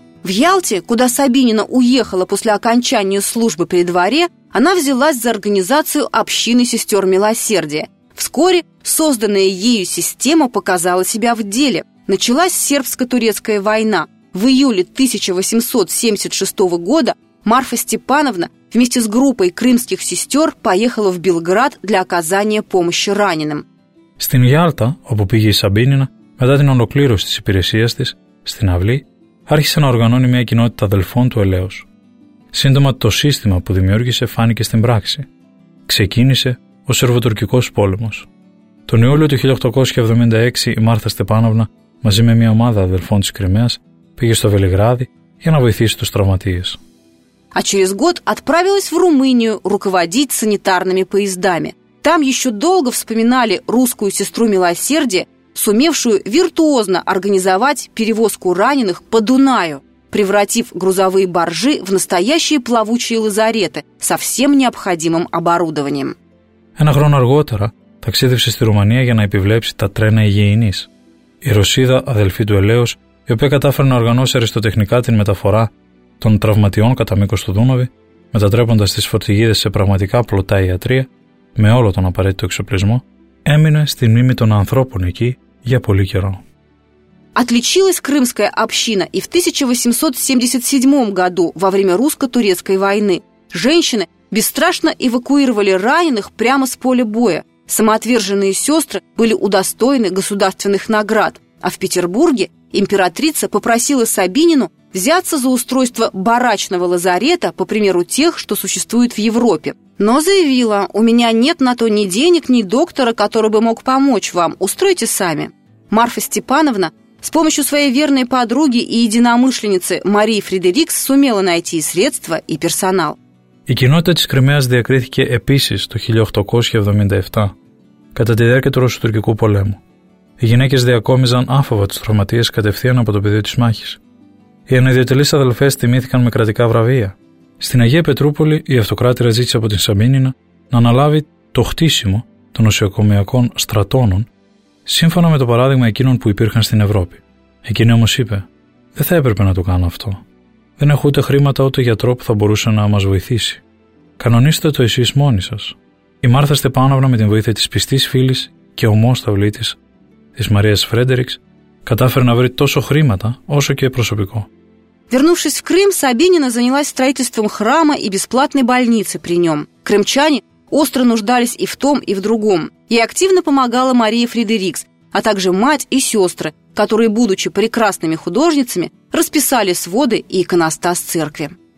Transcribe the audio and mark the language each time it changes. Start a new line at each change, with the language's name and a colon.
Russian: В Ялте, куда Сабинина уехала после окончания службы при дворе, она взялась за организацию общины сестер милосердия. Вскоре созданная ею система показала себя в деле. Началась сербско-турецкая война. В июле 1876 года Марфа Степановна вместе с группой крымских сестер поехала в Белград для оказания помощи раненым.
Greek: Στην Γιάλτα, όπου πήγε η Σαμπίνινα, μετά την ολοκλήρωση της υπηρεσίας της, στην αυλή, άρχισε να οργανώνει μια κοινότητα αδελφών του Ελέους. Σύντομα το σύστημα που δημιούργησε φάνηκε στην πράξη. Ξεκίνησε ο Σερβοτουρκικός πόλεμος. Τον Ιούλιο του 1876 η Μάρθα Στεπάνοβνα μαζί με μια ομάδα αδελφών της Κρυμαίας πήγε στο Βελιγράδι για να βοηθήσει τους τραυματίες.
Russian: А через год отправилась в Румынию руководить санитарными поездами. Там еще долго вспоминали русскую сестру милосердия, сумевшую виртуозно организовать перевозку раненых по Дунаю. превратив грузовые баржи в настоящие плавучие лазареты со всем необходимым оборудованием.
Greek: Ένα χρόνο αργότερα ταξίδευσε στη Ρουμανία για να επιβλέψει τα τρένα υγιεινής. Η Ρωσίδα, αδελφή του Ελέως, η οποία κατάφερε να οργανώσει αριστοτεχνικά την μεταφορά των τραυματιών κατά μήκος του Δούναβη, μετατρέποντας τις φορτηγίδες σε πραγματικά πλωτά ιατρία, με όλο τον απαραίτητο εξοπλισμό, έμεινε στη μνήμη των ανθρώπων εκεί για πολύ καιρό.
Russian: Отличилась крымская община и в 1877 году во время русско-турецкой войны. Женщины бесстрашно эвакуировали раненых прямо с поля боя. Самоотверженные сестры были удостоены государственных наград. А в Петербурге императрица попросила Сабинину взяться за устройство барачного лазарета по примеру тех, что существуют в Европе. Но заявила: «У меня нет на то ни денег, ни доктора, который бы мог помочь вам. Устройте сами». Марфа Степановна с помощью своей верной подруги и единомышленницы Марии Фредерикс сумела найти и средства, и персонал.
Greek: Η κοινότητα της Κρυμαίας διακρίθηκε επίσης το 1877, κατά τη διάρκεια του Ρωσοτουρκικού πολέμου. Οι γυναίκες διακόμιζαν άφοβα τους τραυματίες κατευθείαν από το πεδίο της μάχης. Οι ανιδιωτελείς αδελφές τιμήθηκαν με κρατικά βραβεία. Στην Αγία Πετρούπολη, η αυτοκράτηρα ζήτησε από την Σαμίνινα να αναλάβει το χτίσιμο των νοσοκομιακών στρατώνων, σύμφωνα με το παράδειγμα εκείνων που υπήρχαν στην Ευρώπη. Εκείνη όμως είπε: «Δεν θα έπρεπε να το κάνω αυτό. Δεν έχω ούτε χρήματα ούτε γιατρό που θα μπορούσε να μας βοηθήσει. Κανονίστε το εσείς μόνοι σας». Η Μάρθα Στεπάνοβνα με την βοήθεια της πιστής φίλης και ομόσταυλή της Μαρίας Φρέντερικς κατάφερε να βρει τόσο χρήματα όσο και προσωπικό.
Russian: Вернувшись в Крым, Сабинина занялась строительством храма и бесплатной больницы при нем. Крымчане остро нуждались и в том, и в другом. Ей активно помогала Мария Фредерикс, а также мать и сестры, которые, будучи прекрасными художницами, расписали своды и иконостас церкви.